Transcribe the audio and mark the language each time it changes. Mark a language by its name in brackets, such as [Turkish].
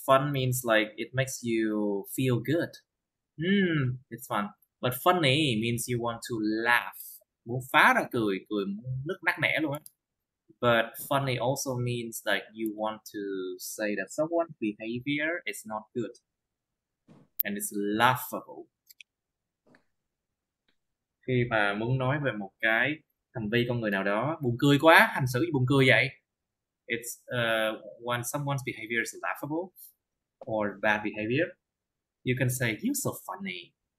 [English] Fun means like it makes you feel good. It's fun. But funny means you want to laugh. [Vietnamese] Muốn phá ra cười, cười muốn nức nắc nẻ luôn. [English] But funny also means like you want to say that someone's behavior is not good. And it's laughable. [Vietnamese] Khi mà muốn nói về một cái hành vi con người nào đó buồn cười quá, hành xử gì buồn cười vậy? [English] It's when someone's behavior is laughable or bad behavior, you can say, you're so funny.